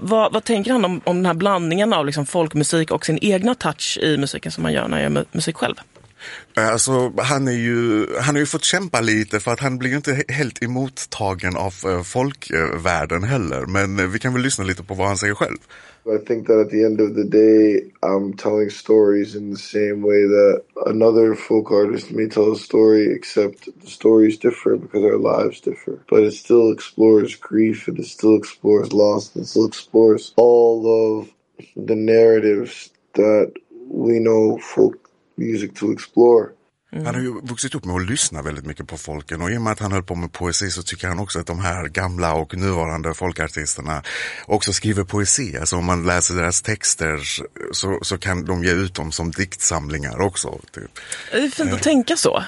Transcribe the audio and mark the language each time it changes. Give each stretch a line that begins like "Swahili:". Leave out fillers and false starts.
Swedish: Vad tänker han om den här blandningen av liksom folkmusik och sin egna touch i musiken som man gör när man gör musik själv? Alltså, han har ju fått kämpa lite, för att han blir ju inte helt emottagen av folkvärlden heller. Men vi kan väl lyssna lite på vad han säger själv.
English: I think that at the end of the day I'm telling stories in the same way that another folk artist may tell a story, except the story is different because our lives differ. But it still explores grief, and it still explores loss, and it still explores all of the narratives that we know folk music to explore. Mm.
Swedish: Han har ju vuxit upp med att lyssna väldigt mycket på folken, och i och med att han höll på med poesi så tycker han också att de här gamla och nuvarande folkartisterna också skriver poesi. Alltså om man läser deras texter så kan de ge ut dem som diktsamlingar också. Typ. Det är fint att tänka så.